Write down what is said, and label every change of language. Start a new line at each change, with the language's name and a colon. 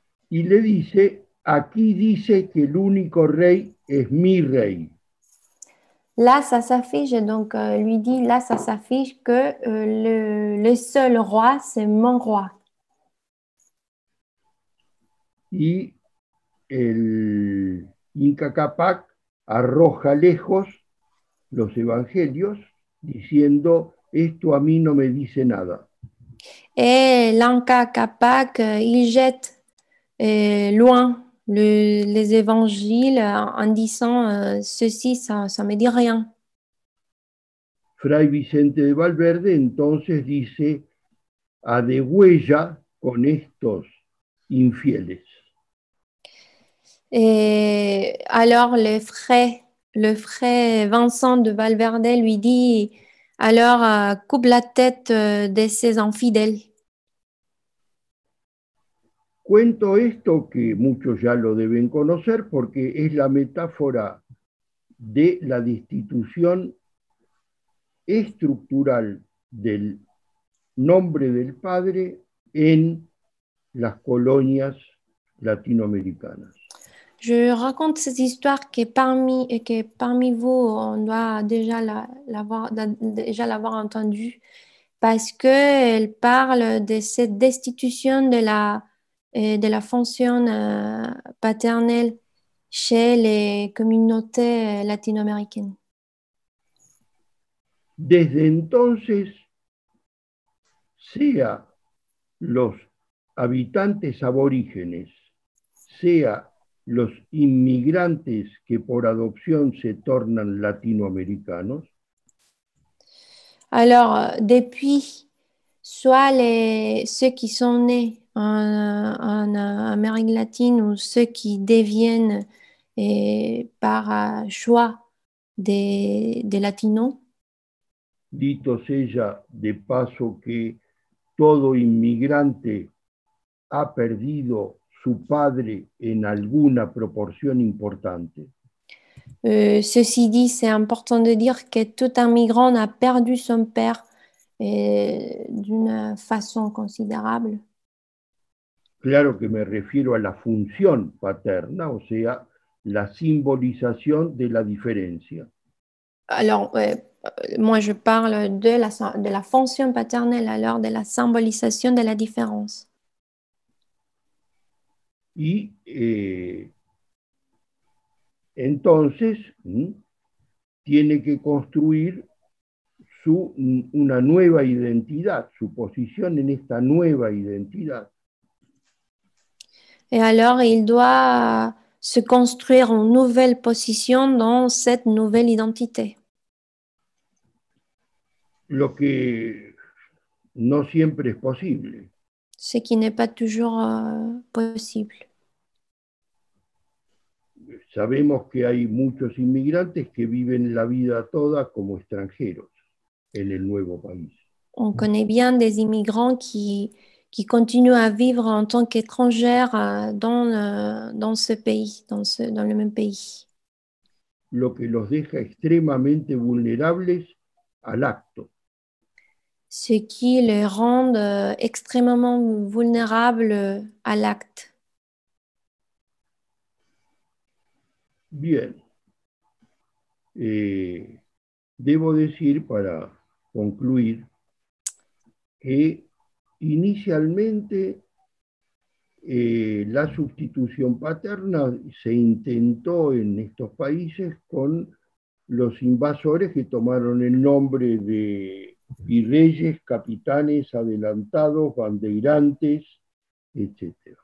Spanish: Y le dice, aquí dice que el único rey es mi rey.
French: Là, ça s'affiche, donc lui dit, là, ça s'affiche que le seul roi, c'est mon roi.
Spanish: Y el Inca Capac arroja lejos los evangelios diciendo, esto a mí no me dice nada.
French: Et l'Inca Capac, il jette loin les évangiles en disant ceci, ça ne me dit rien.
Spanish: Fray Vicente de Valverde entonces dice, a de huella con estos infieles.
French: Et alors le frère Vincent de Valverde lui dit, alors coupe la tête de ces infidèles.
Spanish: Cuento esto que muchos ya lo deben conocer porque es la metáfora de la destitución estructural del nombre del padre en las colonias latinoamericanas.
French: Je raconte cette histoire que parmi vous, on doit déjà l'avoir entendue, parce qu'elle parle de cette destitution de la fonction paternelle chez les communautés latino-américaines.
Spanish: Desde entonces, sea los habitantes aborígenes, sea los inmigrantes que por adopción se tornan latinoamericanos,
French: Alors, depuis, soit ceux qui sont nés en Amérique latine ou ceux qui deviennent par choix des latinos.
Spanish: dito sea de paso que todo inmigrante ha perdido su padre en alguna proporción importante.
French: Ceci dit, c'est important de dire que tout un migrant a perdu son père d'une façon considérable.
Spanish: Claro que me refiero a la función paterna, o sea, la simbolización de la diferencia.
French: Alors, moi, je parle de la fonction paternelle, alors de la symbolisation de la différence.
Spanish: Y entonces tiene que construir una nueva identidad, su posición en esta nueva identidad.
French: Et alors, il doit se construire une nouvelle position dans cette nouvelle identité.
Spanish: Lo que no siempre es posible.
French: Ce qui n'est pas toujours possible.
Spanish: Sabemos que hay muchos inmigrantes que viven la vida toda como extranjeros en el nuevo país.
French: On connaît bien des immigrants qui continue à vivre en tant qu'étrangère dans ce pays, dans le même pays.
Spanish: Lo que los deja extremadamente vulnérables al acto.
French: Ce qui les rend extrêmement vulnérables à l'acte.
Spanish: Bien, debo decir para concluir que inicialmente la sustitución paterna se intentó en estos países con los invasores que tomaron el nombre de virreyes, capitanes, adelantados, bandeirantes, etc.